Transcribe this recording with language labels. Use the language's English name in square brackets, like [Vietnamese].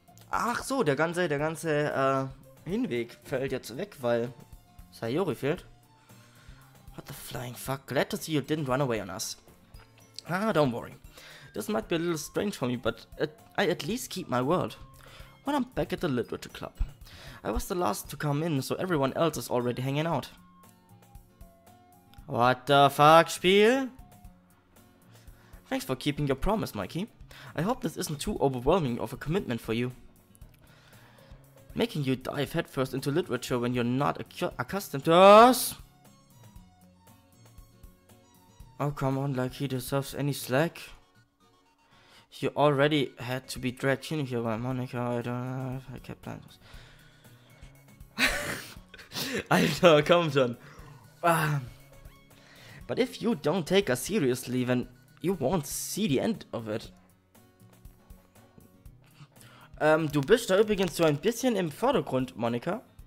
[German] Ach so, der ganze Hinweg fällt jetzt weg, weil Sayori fehlt. [English] What the flying fuck? Glad to see you didn't run away on us. Ah, don't worry. This might be a little strange for me, but I at least keep my word. When I'm back at the Literature Club. I was the last to come in, so everyone else is already hanging out. What the fuck, Spiel? Thanks for keeping your promise, Mikey. I hope this isn't too overwhelming of a commitment for you. Making you dive headfirst into literature when you're not accustomed to us? Oh, come on, like he deserves any slack. You already had to be dragged in here by Monica. I don't know if I kept plans. [German] Alter, komm schon. [English] But if you don't take us seriously, then you won't see the end of it. [German] Du bist da übrigens so ein bisschen im Vordergrund, Monika.